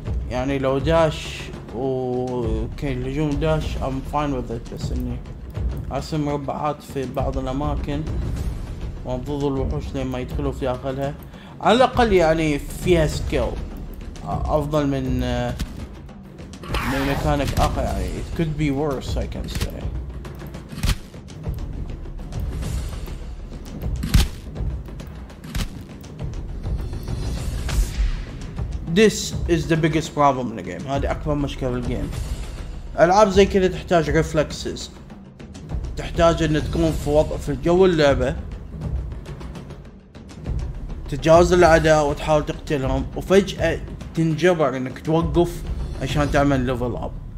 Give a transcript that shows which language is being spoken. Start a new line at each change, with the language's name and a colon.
Arabic: يعني لو داش وكان الهجوم داش
English: I'm fine with it.
Arabic: بس إني أرسم مربعات في بعض الأماكن وانضض الوحوش لما يدخلوا في داخلها. على الأقل يعني فيها skill أفضل من ميكانيك آخر. يعني
English: it could be worse I can say. This is the biggest problem in the game.
Arabic: هذه أكبر مشكلة في الجيم. ألعاب زي كده تحتاج reflexes. تحتاج إن تكون في وضع في جو اللعبة. تتجاوز الأعداء وتحاول تقتلهم وفجأة تنجبر إنك توقف عشان تعمل level up.